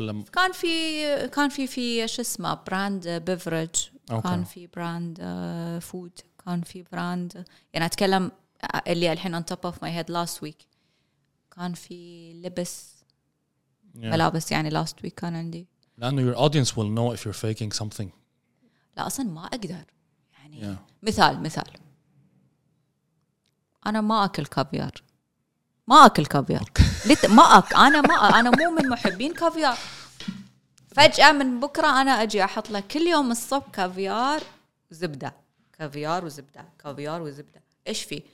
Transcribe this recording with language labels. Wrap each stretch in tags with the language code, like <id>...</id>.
<ar>كان في شو اسمه براند بيفرج. كان في براند فود. كان في براند يعني أتكلم اللي الحين</ar> <en>on top of my head last week،</en> <ar>كان في لبس ملابس يعني</ar> <en>last week</en> <ar>كان عندي،</ar> <en>لأنه your audience will know if you're faking something.</en> <ar>لا أصلاً ما أقدر يعني مثال أنا ما أكل كافيار، ما أكل كافيار أنا مو من محبين كافيار، فجأة من بكرة أنا أجي أحط لك كل يوم الصبح كافيار زبدة، كافيار وزبدة، كافيار وزبدة، إيش في؟</ar>